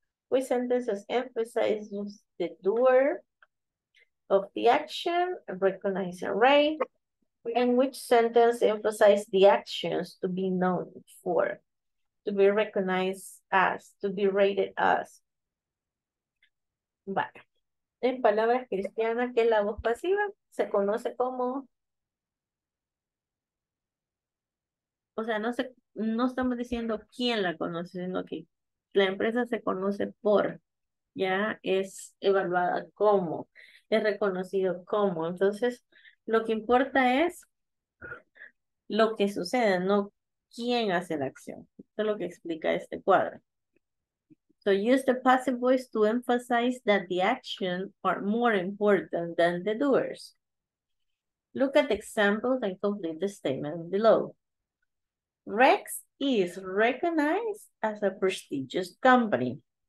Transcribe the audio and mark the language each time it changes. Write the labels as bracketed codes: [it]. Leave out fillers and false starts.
[en] Which sentences emphasize the doer of the action, recognize and rate, and which sentence emphasize the actions to be known for, to be recognized as, to be rated as. [es] Vale. En palabras cristianas, que es la voz pasiva, se conoce como, o sea, no, se, no estamos diciendo quién la conoce, sino que la empresa se conoce por, ya es evaluada como, es reconocido como. Entonces, lo que importa es lo que sucede, no quién hace la acción. Esto es lo que explica este cuadro. [en] So use the passive voice to emphasize that the action are more important than the doers. Look at the examples and complete the statement below. Rex is recognized as a prestigious company.